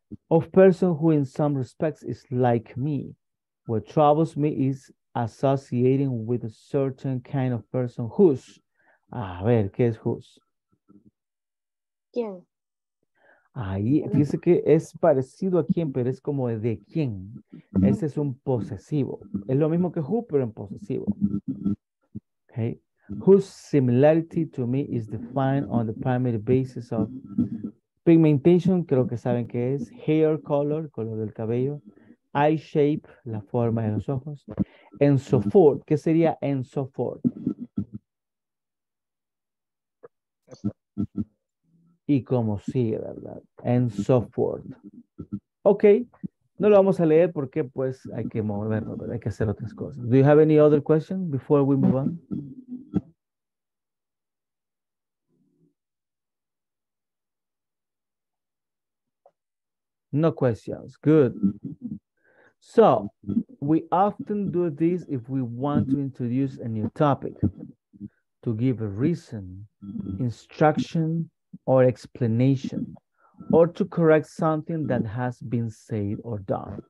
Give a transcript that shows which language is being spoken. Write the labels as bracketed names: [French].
[English] Of person who in some respects is like me. What troubles me is associating with a certain kind of person whose. [Spanish] A ver, ¿qué es whose? ¿Quién? Ahí, dice que es parecido a quién, pero es como de quién. Ese es un posesivo. Es lo mismo que who, pero en posesivo. Ok. [English] Whose similarity to me is defined on the primary basis of pigmentation, [Spanish] creo que saben qué es, [English] hair color, [Spanish] color del cabello, [English] eye shape, [Spanish] la forma de los ojos, [English] and so forth, [Spanish] ¿qué sería [English] and so forth? [Spanish] Y como sigue, ¿verdad? [English] And so forth. [Spanish] Ok, no lo vamos a leer porque pues hay que moverlo, ¿verdad? Hay que hacer otras cosas. [English] Do you have any other question before we move on? No questions. Good. So, we often do this if we want to introduce a new topic, to give a reason, instruction, or explanation, or to correct something that has been said or done.